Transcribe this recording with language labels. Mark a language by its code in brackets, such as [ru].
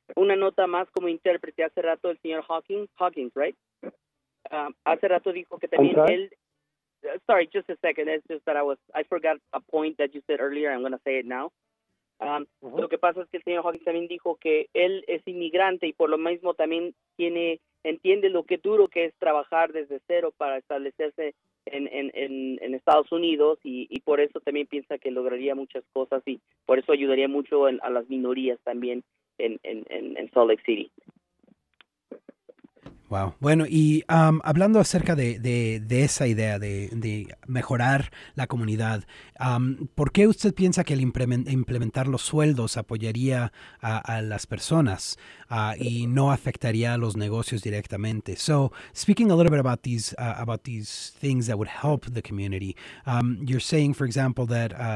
[es] Una nota más como intérprete, hace rato el señor Hawkins, [en] right? [es] Hace rato dijo que también él... [en] Sorry, just a second, it's just that I forgot a point that you said earlier, I'm going to say it now. [es] Lo que pasa es que el señor Hawkins también dijo que él es inmigrante y por lo mismo también entiende lo que duro que es trabajar desde cero para establecerse en Estados Unidos y por eso también piensa que lograría muchas cosas y por eso ayudaría mucho a las minorías también en Salt Lake City. [en] Wow. [es] Bueno, y hablando acerca de esa idea de mejorar la comunidad, ¿por qué usted piensa que el implementar los sueldos apoyaría a las personas y no afectaría a los negocios directamente? [en] So, speaking a little bit about these things that would help the community, you're saying, for example, that